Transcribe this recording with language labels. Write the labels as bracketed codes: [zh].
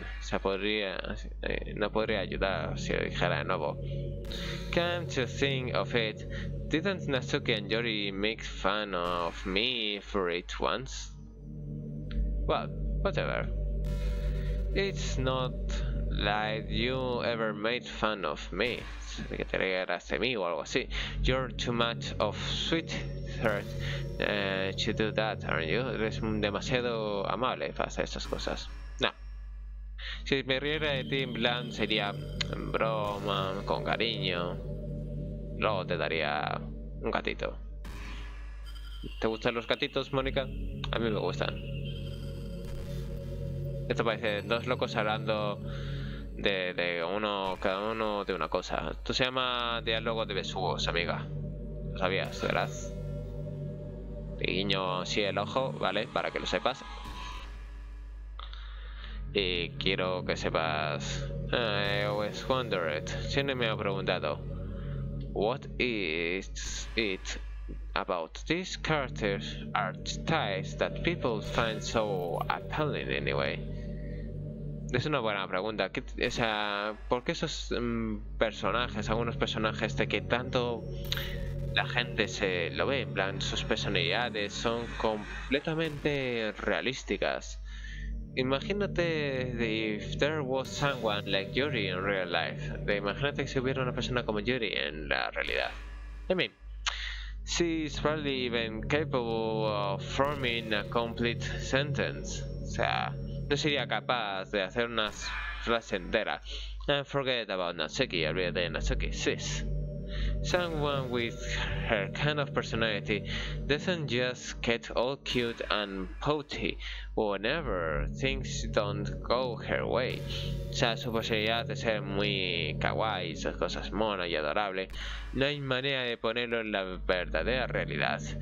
[es] O sea, podría, no podría ayudar si lo dijera de nuevo. [en] Come to think of it, didn't Natsuki and Yori make fun of me for it once? Well, whatever. It's not like you ever made fun of me. [es] Que te rieras de mí o algo así. [en] You're too much of sweet heart to do that, aren't you? [es] Eres demasiado amable para hacer estas cosas. No. Si me riera de ti, en plan sería en broma, con cariño. Luego te daría un gatito. ¿Te gustan los gatitos, Mónica? A mí me gustan. Esto parece dos locos hablando de uno, cada uno de una cosa. Esto se llama diálogo de besugos, amiga. Lo sabías, ¿verdad? Te guiño sí el ojo, ¿vale? Para que lo sepas. Y quiero que sepas... [en] I always wondered. [es] Siempre me ha preguntado. [en] What is it about these characters archetypes that people find so appealing anyway? [es] Es una buena pregunta. O sea, ¿por qué esos personajes, algunos personajes de que tanto la gente se lo ve? En plan, sus personalidades son completamente realísticas. Imagínate [en] if there was someone like Yuri in real life. [es] Imagínate si hubiera una persona como Yuri en la realidad. [en] I mean, she's probably even capable of forming a complete sentence. [es] O sea, no sería capaz de hacer una frase entera. [en] And forget about Natsuki, [es] olvídate de Natsuki, [en] sis. Someone with her kind of personality doesn't just get all cute and pouty whenever things don't go her way. [es] O sea, su posibilidad de ser muy kawaii, esas cosas mona y adorable, no hay manera de ponerlo en la verdadera realidad.